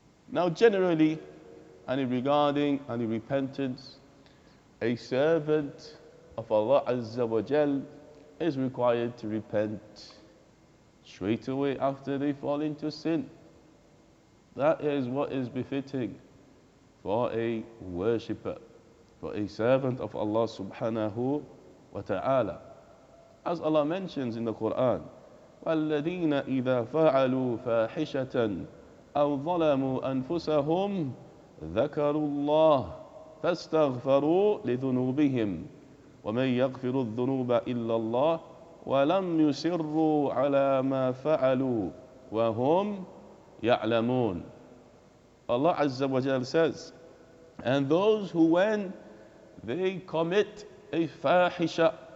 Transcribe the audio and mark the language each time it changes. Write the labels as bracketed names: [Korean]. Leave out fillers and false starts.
[English] Now generally, regarding repentance, a servant of Allah Azza wa Jal is required to repent straight away after they fall into sin. That is what is befitting for a worshipper, for a servant of Allah subhanahu wa ta'ala. As Allah mentions in the Quran, [Arabic] وَالَّذِينَ إِذَا فَعَلُوا فَاحِشَةً أَوْ ظَلَمُوا أَنفُسَهُمْ ذَكَرُوا اللَّهِ فَاسْتَغْفَرُوا لِذُنُوبِهِمْ وَمَنْ يَغْفِرُ الذُّنُوبَ إِلَّا اللَّهِ وَلَمْ يُسِرُّوا عَلَى مَا فَعَلُوا وَهُمْ يَعْلَمُونَ. [English] Allah Azza wa Jal says, and those who when they commit a fahisha,